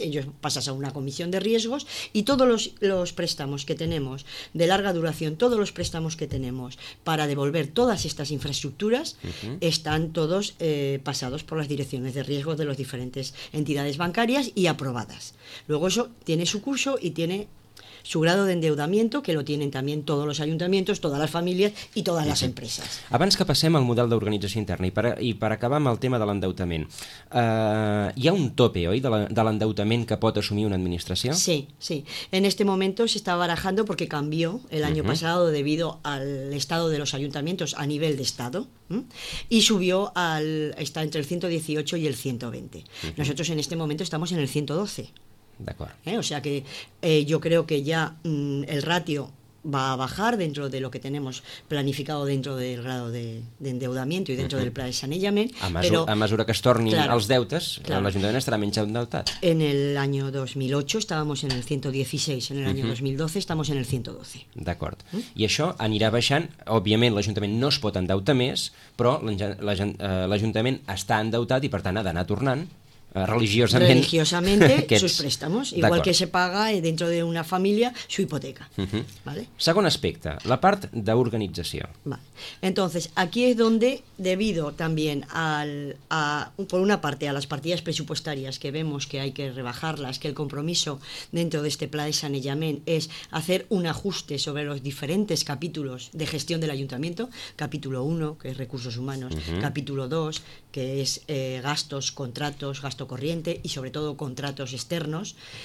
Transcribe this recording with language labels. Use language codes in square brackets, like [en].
[es] Ellos pasas a una comisión de riesgos, y todos los préstamos que tenemos de larga duración, todos los préstamos que tenemos para devolver todas estas infraestructuras, uh-huh, están todos pasados por las direcciones de riesgos de las diferentes entidades bancarias y aprobadas. Luego eso tiene su curso y tiene su grado d'endeudamiento, que lo tienen también todos los ayuntamientos, todas las familias y todas las empresas. [ca] Abans que passem al model d'organització interna i per acabar amb el tema de l'endeutament, hi ha un tope, oi, de l'endeutament que pot assumir una administració? [es] Sí, sí. En este momento se está barajando porque cambió el año pasado debido al estado de los ayuntamientos a nivel de estado, y subió está entre el 118 y el 120. Nosotros en este momento estamos en el 112. [ca] D'acord. [es] O sea que yo creo que ya el ratio va a bajar dentro de lo que tenemos planificado dentro del grado de endeudamiento y dentro del plan de saneamiento. [ca] A mesura que es torni els deutes, l'Ajuntament estarà menys endeutat. [es] En el año 2008 estábamos en el 116, en el año 2012 estamos en el 112. [ca] D'acord. I això anirà baixant. Òbviament l'Ajuntament no es pot endeutar més, però l'Ajuntament està endeutat i per tant ha d'anar tornant religiosamente [es] aquests sus préstamos, igual que se paga dentro de una familia su hipoteca. ¿Vale? [ca] Segon aspecte, la part d'organització. [es] Vale. Entonces, aquí es donde, debido también por una parte a las partidas presupuestarias, que vemos que hay que rebajarlas, que el compromiso dentro de este plan de saneamiento es hacer un ajuste sobre los diferentes capítulos de gestión del ayuntamiento, capítulo 1, que es recursos humanos, capítulo 2, que es gastos, contratos, gasto corriente y sobre todo contratos externos,